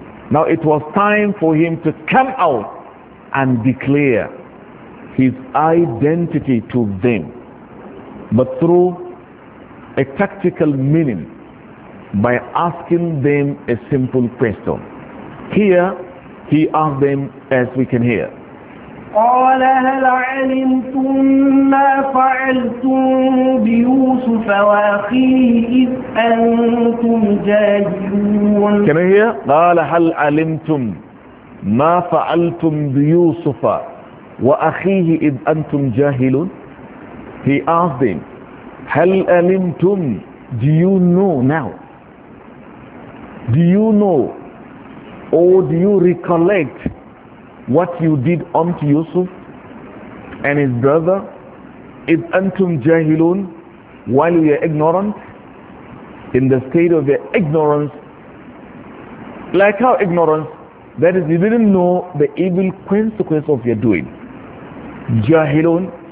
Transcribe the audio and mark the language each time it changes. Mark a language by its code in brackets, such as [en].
[en] Now it was time for him to come out and declare his identity to them, but through a tactical meaning, by asking them a simple question. Here he asked them, as we can hear, [ar] قال هل علمتم ما فعلتم بيوسف واخيه اذ انتم جاهلون. [en] Can you hear? [ar] قال هل علمتم ما فعلتم بيوسف واخيه اذ انتم جاهلون. [en] He asked them, [ar] هل علمتم, [en] do you know now? Do you know or do you recollect what you did unto Yusuf and his brother, if antum jahilun, while you are ignorant, in the state of their ignorance, like how ignorance, that is, you didn't know the evil consequence of your doing. Jahilun.